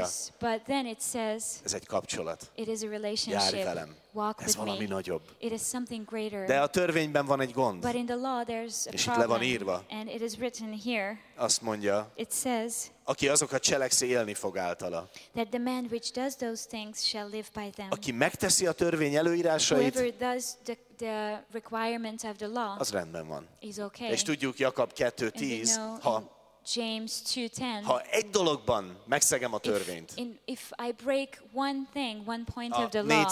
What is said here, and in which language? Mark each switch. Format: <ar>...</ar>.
<en>yes, but then it says,</en> <hu>ez egy kapcsolat.</hu> <en>It is a relationship.</en> <hu>Járj velem.</hu> <en>Walk</en> <hu>ez valami</hu> <en>me.</en> <hu>Nagyobb.</hu> <en>It is something greater.</en> <hu>De a törvényben van egy gond.</hu> <en>But in the law there's a</en> <hu>és itt le van írva.</hu> <en>And it is written here,</en> <hu>azt mondja,</hu> <en>it says,</en> <hu>aki azokat cselekszi, élni fog általa.</hu> <en>That the man which does those things shall live by them.</en> <hu>Aki megteszi a törvény előírásait,</hu> <en>whoever does the requirements of the law,</en> <hu>az rendben van.</hu> <en>Is okay.</en> <hu>És tudjuk Jakab 2:10, ha</hu> <en>James 2:10.</en> <hu>Ha egy dologban megszegem a törvényt.</hu> <en>If I break one thing, one point of the law.</en>